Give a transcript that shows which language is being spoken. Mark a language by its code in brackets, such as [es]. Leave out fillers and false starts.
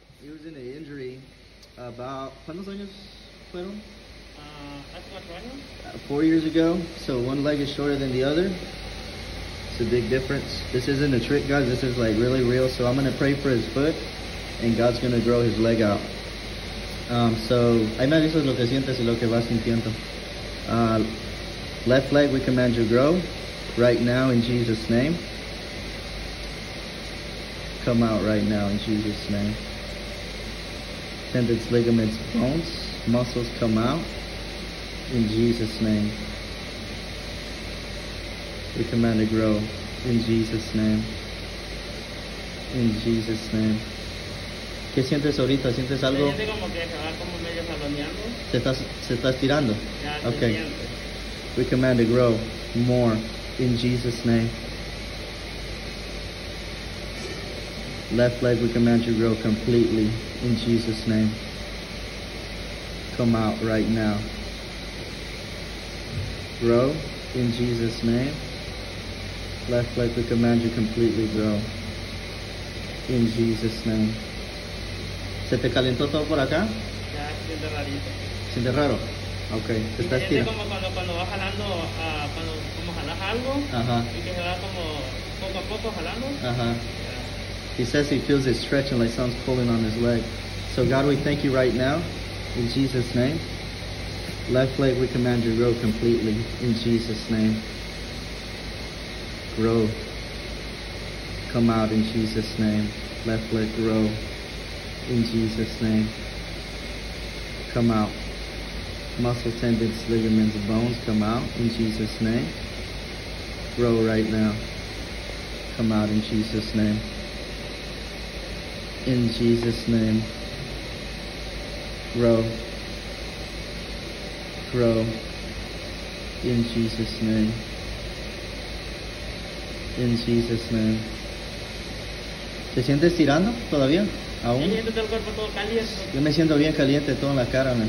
[en] He was in an injury about. [es] ¿Cuántos años fue? ¿Hace [en] 4 years ago. So one leg is shorter than the other. It's a big difference. This isn't a trick, guys. This is like really real. So I'm gonna pray for his foot, and God's gonna grow his leg out. [es] So ahí me avisas lo que sientes y lo que vas sintiendo. [en] Left leg, we command you grow right now in Jesus' name. Come out right now in Jesus' name. Tendons, ligaments, bones, muscles, come out in Jesus' name. We command to grow in Jesus' name. In Jesus' name. [es] ¿Qué sientes ahorita? ¿Sientes algo? Siente como que se va como medio saloneando. ¿Se está estirando? Ya, okay. [en] We command to grow more in Jesus' name. Left leg, we command you to grow completely in Jesus' name. Come out right now. Grow in Jesus' name. Left leg, we command you completely grow in Jesus' name. [es] ¿Se te calentó todo por acá? Ya, siente rarito. ¿Siente raro? Okay, se está estirando. Es como cuando vas jalando, como jalas algo. Ajá. Y que se va como poco a poco jalando. Ajá. [en] He says he feels it stretching, like something's pulling on his leg. So God, we thank you right now, in Jesus' name. Left leg, we command you to grow completely, in Jesus' name. Grow. Come out in Jesus' name. Left leg, grow. In Jesus' name. Come out. Muscle, tendons, ligaments, bones, come out, in Jesus' name. Grow right now. Come out in Jesus' name. In Jesus' name, grow, grow, in Jesus' name, in Jesus' name. [es] ¿Te sientes tirando todavía? ¿Aún? Me siento todo el cuerpo todo caliente. Yo me siento bien caliente todo en la cara, man.